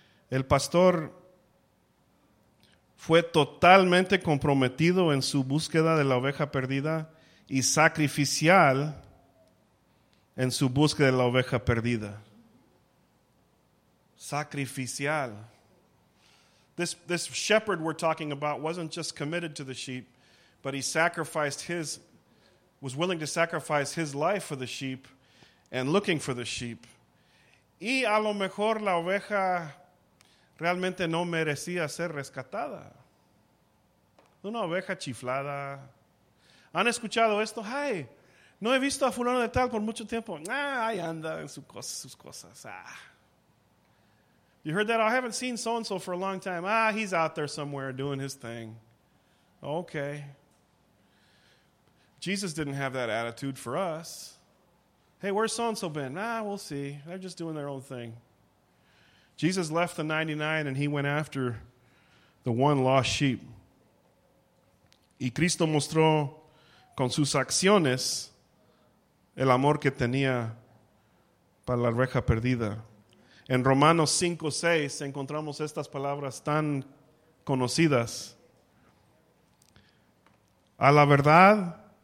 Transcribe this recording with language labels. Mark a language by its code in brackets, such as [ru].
[es] El pastor fue totalmente comprometido en su búsqueda de la oveja perdida y sacrificial en su búsqueda de la oveja perdida. Sacrificial. [en] This shepherd we're talking about wasn't just committed to the sheep, but he sacrificed his, was willing to sacrifice his life for the sheep and looking for the sheep. [es] Y a lo mejor la oveja realmente no merecía ser rescatada. Una oveja chiflada. ¿Han escuchado esto? Hey, no he visto a fulano de tal por mucho tiempo. Ah, ahí anda en sus cosas. Ah. [en] You heard that? I haven't seen so-and-so for a long time. Ah, he's out there somewhere doing his thing. Okay. Jesus didn't have that attitude for us. Hey, where's so-and-so been? Ah, we'll see. They're just doing their own thing. Jesus left the 99 and he went after the one lost sheep. [es] Y Cristo mostró con sus acciones el amor que tenía para la oveja perdida. En Romanos 5:6 encontramos estas palabras tan conocidas. A la verdad,